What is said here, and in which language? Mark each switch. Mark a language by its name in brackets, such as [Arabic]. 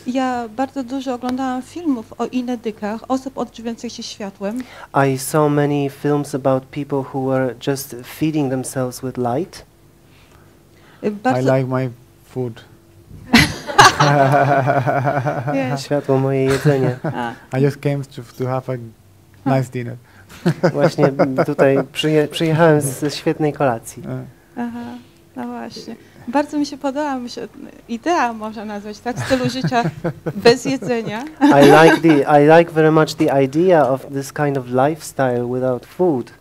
[Polish] Ja bardzo dużo oglądałam filmów o inedykach, osób odżywiających się światłem. [English] I saw many films about people who were just feeding themselves with light. I like my food. [Polish] Światło moje jedzenie. [English] I just came to have a nice dinner. [Polish] Właśnie tutaj przyjechałem ze świetnej kolacji. Aha, no właśnie. Bardzo mi się podoba, idea można nazwać, tak, stylu życia bez jedzenia. [English] I like very much the idea of this kind of lifestyle without food.